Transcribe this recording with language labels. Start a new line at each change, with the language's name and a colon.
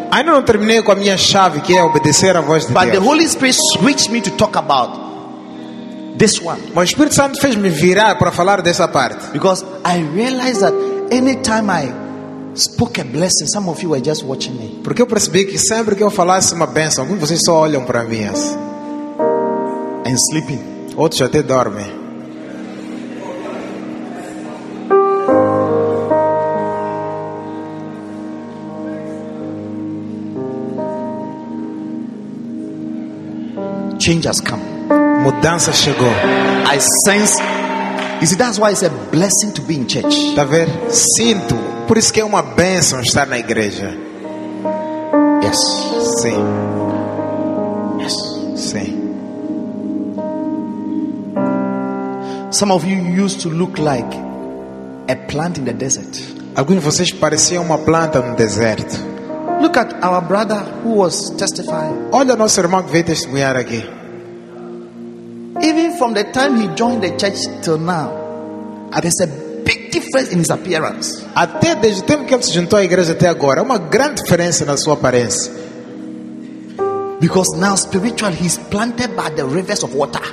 Portuguese: Ainda não terminei com a minha chave que é obedecer a voz de Deus.
English: But the Holy Spirit switched me to talk about this one.
Portuguese: Mas o Espírito Santo fez-me virar para falar dessa parte.
English: Because I realized that anytime I spoke a blessing, some of you were just watching me.
Portuguese: Porque eu percebi que sempre que eu falasse uma bênção, alguns de vocês só olham para mim assim.
English: And sleeping.
Portuguese: Outros até dormem.
English: Change has come.
Portuguese: Mudança chegou.
English: I sense. You see, that's why it's a blessing to be in church.
Portuguese: Tá ver? Sinto. Por isso que é uma bênção estar na igreja.
English: Yes.
Portuguese: Sim.
English: Yes.
Portuguese: Sim.
English: Some of you used to look like a plant in the desert.
Portuguese: Alguns de vocês pareciam uma planta no deserto.
English: Look at our brother who was testifying.
Portuguese: Olha nosso irmão que veio testemunhar aqui.
English: Even from the time he joined the church till now, there's a big difference in his appearance.
Portuguese: Até desde o tempo que ele se juntou à igreja até agora, uma grande diferença na sua aparência.
English: Because now spiritually he's planted by the rivers of water.